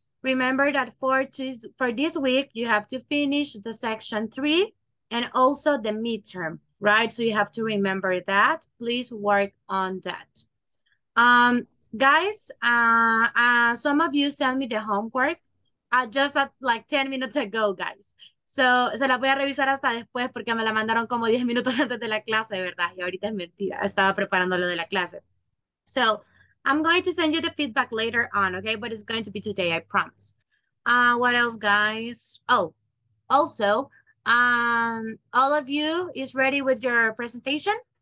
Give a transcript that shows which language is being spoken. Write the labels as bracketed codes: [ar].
[en] Remember that for this week, you have to finish the section 3 and also the midterm, right? So you have to remember that. Please work on that. Guys, some of you sent me the homework. Like 10 minutes ago, guys. [es] So, se la voy a revisar hasta después porque me la mandaron como 10 minutos antes de la clase, ¿verdad? Y ahorita es mentira, estaba preparando lo de la clase. [en] So, I'm going to send you the feedback later on, okay? But it's going to be today, I promise. What else, guys? Oh, also, all of you is ready with your presentation?